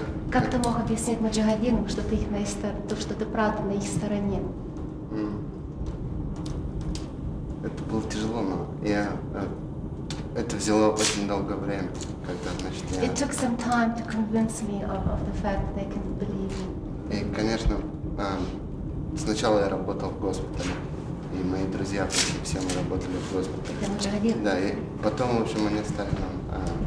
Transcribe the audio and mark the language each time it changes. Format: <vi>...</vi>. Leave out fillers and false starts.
<ru>Как ты мог объяснять маджахединам, что ты их на их то, что ты правда на их стороне? Это было тяжело, но я это взяло очень долгое время, когда значит.</ru> <en>It took some time to convince me of the fact that they can believe you.</en> <ru>И, конечно, сначала я работал в госпитале, и мои друзья почти все мы работали в госпитале. Это маджахедин. Да, и потом, в общем, они стали нам.</ru>